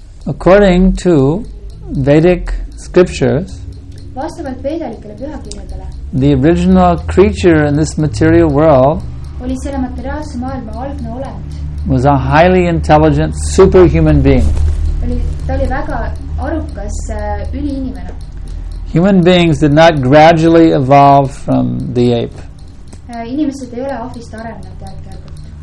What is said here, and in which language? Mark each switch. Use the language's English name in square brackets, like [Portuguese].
[English] According to Vedic scriptures, [Estonian] vastavalt vedalikele pühakirjadele, [English] the original creature in this material world [Estonian] oli selle materiaalse maailma algne olend, [English] was a highly intelligent superhuman being. [Estonian] Ta oli väga arukas üliinimene. [English] Human beings did not gradually evolve from the ape. [Estonian] Inimesed ei ole ahvist arenenud järk-järgult.